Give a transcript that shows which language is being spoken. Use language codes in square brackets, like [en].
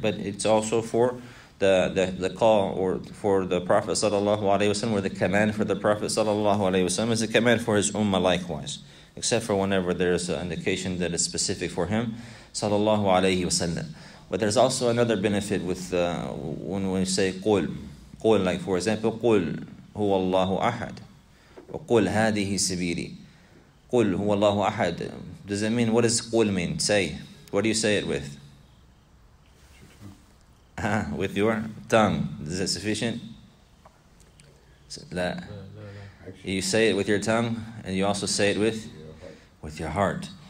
[en] But it's also for the call, or for the Prophet sallallahu alayhi wa sallam, or the command for the Prophet sallallahu alayhi wa sallam, is a command for his ummah likewise. Except for whenever there is an indication that is specific for him, sallallahu alayhi wa sallam. But there's also another benefit with when we say قُل. [ar] قُل, [en] like for example, [ar] قُل هُوَ اللَّهُ أَحَد. وَقُل هَذِهِ سَبِيلِي. قُل هُوَ اللَّهُ أَحَد. [en] Does it mean, what does قُل mean? Say. What do you say it with? With your tongue. Is that sufficient? [ar] لا. [en] You say it with your tongue, and you also say it with your heart.